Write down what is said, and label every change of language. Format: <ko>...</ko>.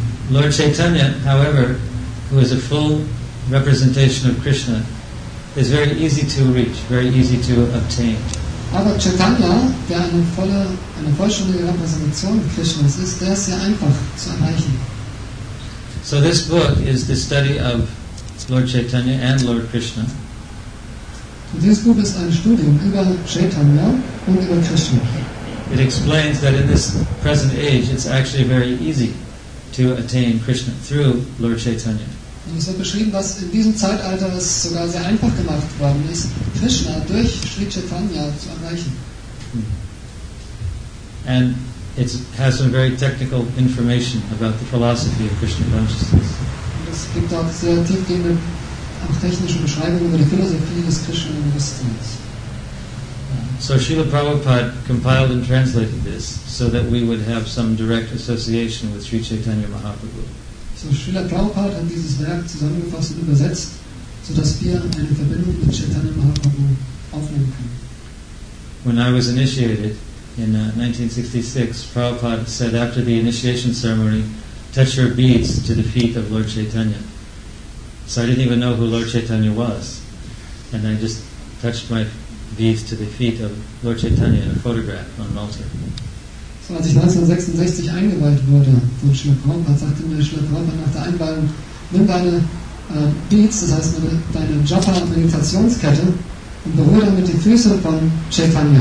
<en>Lord Chaitanya, however, who is a full representation of Krishna, is very easy to reach, very easy to obtain.</en> <de>Aber Chaitanya, der eine vollständige Repräsentation Krishnas ist, der ist sehr einfach zu erreichen.</de> <en>So this book is the study of Lord Chaitanya and Lord Krishna.</en> <de>Dieses Buch ist ein Studium über Chaitanya und über Krishna.</de> <en>It explains that in this present age it's actually very easy to attain Krishna through Lord Chaitanya.</en> <de>Und es wird beschrieben, dass in diesem Zeitalter es sogar sehr einfach gemacht worden ist, Krishna durch Sri Chaitanya zu erreichen.</de> <en>And it has some very technical information about the philosophy of Krishna consciousness.</en> <de>Und es gibt auch sehr tiefgehende auch technische Beschreibungen über die Philosophie des Krishna-Bewusstseins.</de> <en>So Srila Prabhupada compiled and translated this so that we would have some direct association with Sri Chaitanya Mahaprabhu.</en> <de>So Srila Prabhupada hat dieses Werk zusammengefasst und übersetzt, sodass wir eine Verbindung mit Chaitanya Mahaprabhu aufnehmen können.</de> <en>When I was initiated in 1966, Prabhupada said after the initiation ceremony, touch your beads to the feet of Lord Chaitanya. So I didn't even know who Lord Chaitanya was. And I just touched my beads to the feet of Lord Chaitanya in a photograph on an altar.</en> <de>So als ich 1966 eingeweiht wurde von Srila Prabhupada, sagte mir Srila Prabhupada nach der Einweihung, nimm deine Beads, das heißt deine Japa-Meditationskette, und berühre damit die Füße von Chaitanya.</de>